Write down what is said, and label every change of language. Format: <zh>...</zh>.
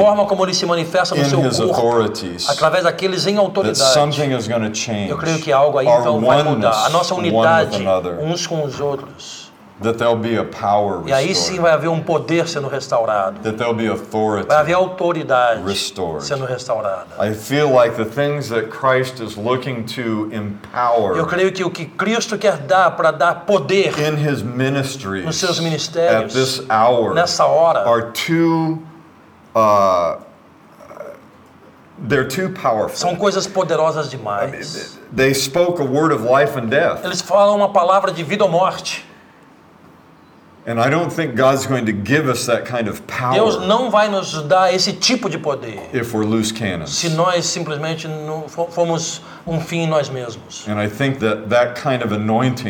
<pt>a forma como Ele se manifesta no</pt> <en>in</en> <pt>seu</pt> <en>His</en> <pt>corpo,</pt> <en>authorities,</en> <pt>através daqueles em autoridade,</pt> <en>that something is going to change,</en> <pt>eu creio que algo aí</pt> <en>our</en> <pt>então vai mudar, a nossa unidade uns com os outros.</pt> <en>That there'll be a power restored.</en> <pt>E aí sim vai haver um poder sendo restaurado.</pt> <en>That there'll be authority.</en> <pt>Vai haver autoridade</pt> <en>restored.</en> <pt>Sendo restaurada.</pt> <en>I feel like the things that Christ is looking to empower.</en> <pt>Eu creio que o que Cristo quer dar para dar poder.</pt> <en>In His ministry.</en> <pt>Nos seus ministérios.</pt> <en>At this hour.</en> <pt>Nessa hora.</pt> <en>Are too. They're too powerful.</en> <pt>São coisas poderosas demais.</pt> <en>I mean, they spoke a word of life and death.</en> <pt>Eles falam uma palavra de vida ou morte.</pt> <en>And I don't think God's going to give us that kind of power.</en> <pt>Deus não vai nos dar esse tipo de poder.</pt> <en>If we're loose cannons.</en> <pt>Se nós simplesmente fomos um fim em nós mesmos.</pt> <en>And I think that that kind of anointing.</en>